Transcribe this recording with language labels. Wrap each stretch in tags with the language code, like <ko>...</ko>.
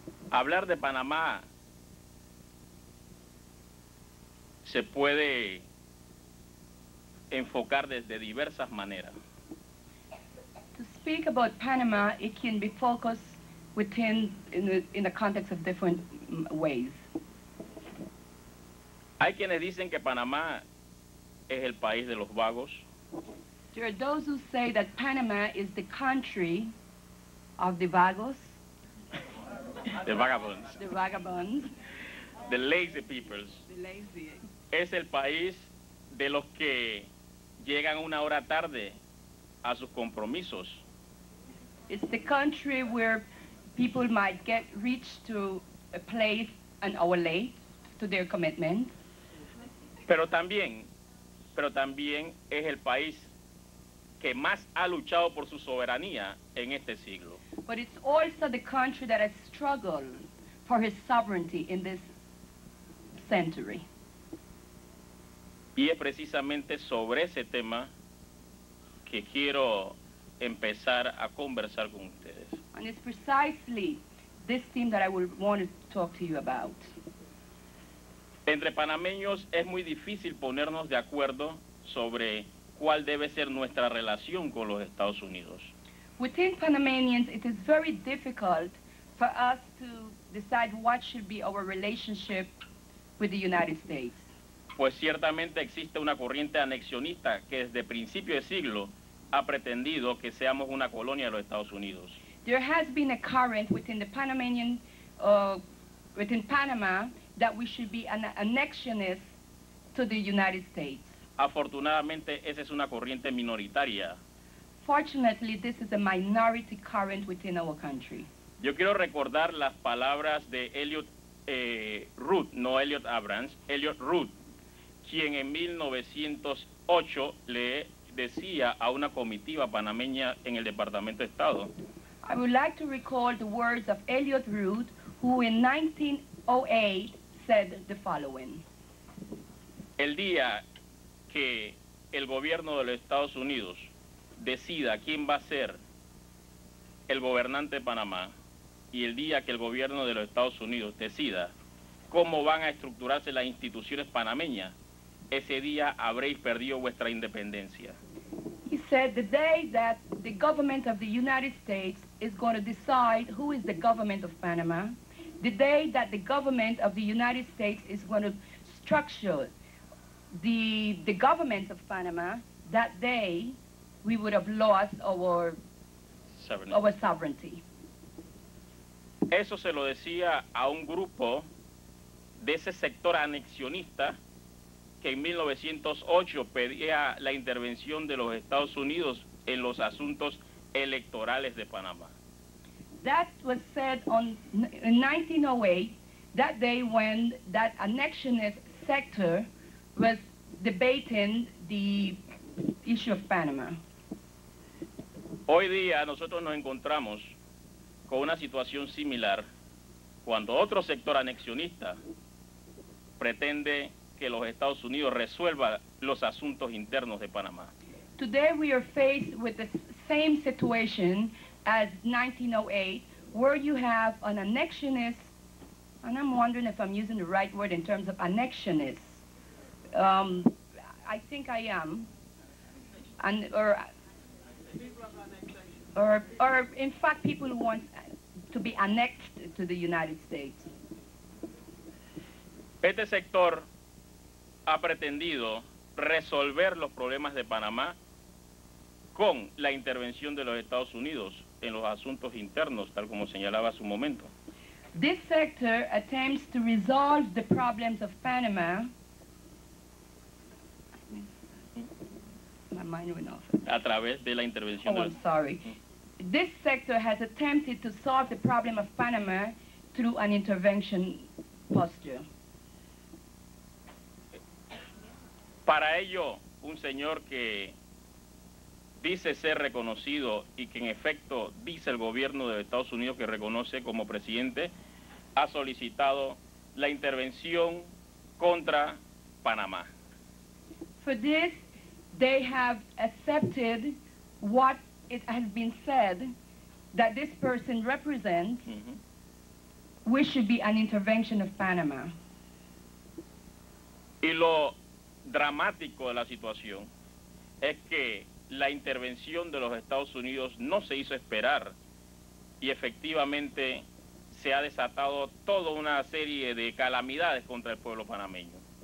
<es>Hablar de Panamá se puede enfocar desde diversas maneras.</es> <en>To speak about Panama, it can be focused within in the context of different ways.</en> <es>Hay quienes dicen que Panamá es el país de los vagos.</es> <en>There are those who say that Panama is the country of the vagos. The vagabonds. The vagabonds. The lazy peoples. The lazy.</en> <es>Es el país de los que llegan una hora tarde a sus compromisos.</es> <en>It's the country where people might get reached to a place an hour late to their commitment.</en> <es>Pero también es el país que más ha luchado por su soberanía en este siglo.</es> <en>But it's also the country that has struggled for his sovereignty in this century.</en> <es>Y es precisamente sobre ese tema que quiero empezar a conversar con ustedes.</es> <en>And it's precisely this theme that I would want to talk to you about.</en> <es>Entre panameños es muy difícil ponernos de acuerdo sobre cuál debe ser nuestra relación con los Estados Unidos.</es> <en>Within Panamanians, it is very difficult for us to decide what should be our relationship with the United States.</en> <es>Pues ciertamente existe una corriente anexionista que desde principio de siglo ha pretendido que seamos una colonia de los Estados Unidos.</es> <en>There has been a current within the Panamanian, within Panama, that we should be an annexionist to the United States.</en> <es>Afortunadamente, esa es una corriente minoritaria.</es> <en>Fortunately, this is a minority current within our country.</en> <es>Yo quiero recordar las palabras de Elliot Root, quien en 1908 le decía a una comitiva panameña en el Departamento de Estado.</es> <en>I would like to recall the words of Elliot Root, who in 1908 said the following.</en> <es>El día que el gobierno de los Estados Unidos decida quién va a ser el gobernante de Panamá y el día que el gobierno de los Estados Unidos decida cómo van a estructurarse las instituciones panameñas, ese día habréis perdido vuestra independencia.</es> <en>He said the day that the government of the United States is going to decide who is the government of Panama, the day that the government of the United States is going to structure the government of Panama, that day we would have lost our sovereignty.</en> <es>Eso se lo decía a un grupo de ese sector anexionista que en 1908 pedía la intervención de los Estados Unidos en los asuntos electorales de Panamá.</es> <en>That was said in 1908, that day when that annexionist sector was debating the issue of Panama.</en> <es>Hoy día nosotros nos encontramos con una situación similar cuando otro sector anexionista pretende que los Estados Unidos resuelva los asuntos internos de Panamá.</es> <en>Today we are faced with the same situation as 1908, where you have an annexionist, and I'm wondering if I'm using the right word in terms of annexionist. I think I am. Or in fact, people who want to be annexed to the United States.</en> <es>Este sector ha pretendido resolver los problemas de Panamá con la intervención de los Estados Unidos en los asuntos internos, tal como señalaba hace un momento.</es> <en>This sector attempts to resolve the problems of Panama. My mind went off.</en> <es>A través de la intervención.</es> <en>Oh, I'm sorry. This sector has attempted to solve the problem of Panama through an intervention posture.</en> <es>Para ello, un señor que dice ser reconocido y que en efecto dice el gobierno de Estados Unidos que reconoce como presidente, ha solicitado la intervención contra Panamá.</es> <en>For this, they have accepted what it has been said that this person represents, which should be an intervention of Panama.</en> <es>Y lo dramático de la situación es que la intervención de los Estados Unidos no se hizo esperar y efectivamente se ha desatado toda una serie de calamidades contra el pueblo panameño.</es>